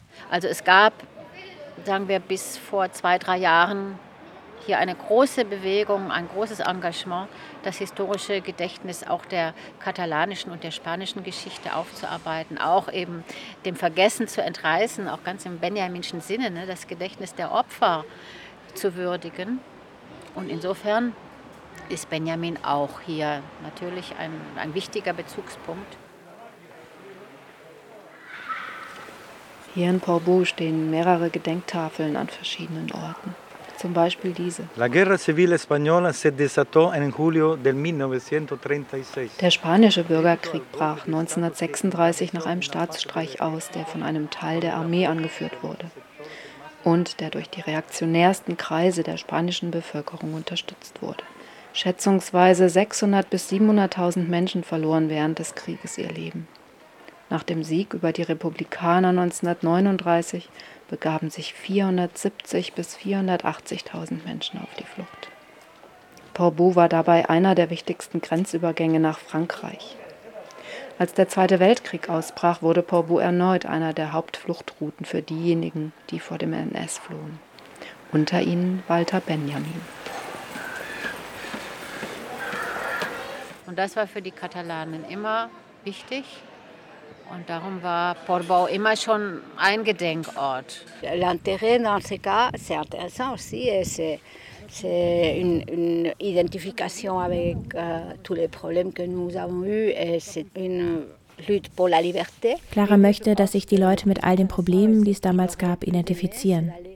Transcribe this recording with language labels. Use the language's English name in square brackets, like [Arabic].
[German] Also es gab, sagen wir, bis vor 2-3 Jahren hier eine große Bewegung, ein großes Engagement, das historische Gedächtnis auch der katalanischen und der spanischen Geschichte aufzuarbeiten, auch eben dem Vergessen zu entreißen, auch ganz im benjaminschen Sinne, ne, das Gedächtnis der Opfer zu würdigen. Und insofern ist Benjamin auch hier natürlich ein wichtiger Bezugspunkt. Hier in Porbou stehen mehrere Gedenktafeln an verschiedenen Orten. Zum Beispiel diese. [Spanish] La guerra civil española se desató en julio del 1936. [German] Der spanische Bürgerkrieg brach 1936 nach einem Staatsstreich aus, der von einem Teil der Armee angeführt wurde und der durch die reaktionärsten Kreise der spanischen Bevölkerung unterstützt wurde. Schätzungsweise 600 bis 700.000 Menschen verloren während des Krieges ihr Leben. Nach dem Sieg über die Republikaner 1939 begaben sich 470.000 bis 480.000 Menschen auf die Flucht. Porbou war dabei einer der wichtigsten Grenzübergänge nach Frankreich. Als der Zweite Weltkrieg ausbrach, wurde Porbou erneut einer der Hauptfluchtrouten für diejenigen, die vor dem NS flohen. Unter ihnen Walter Benjamin. Und das war für die Katalanen immer wichtig. Und darum war Porbou immer schon ein Gedenkort. [French] L'intérêt dans ce cas, c'est intéressant aussi, c'est une identification avec tous les problèmes que nous avons eu et c'est une lutte pour la liberté. [German] Clara möchte, dass sich die Leute mit all den Problemen, die es damals gab, identifizieren.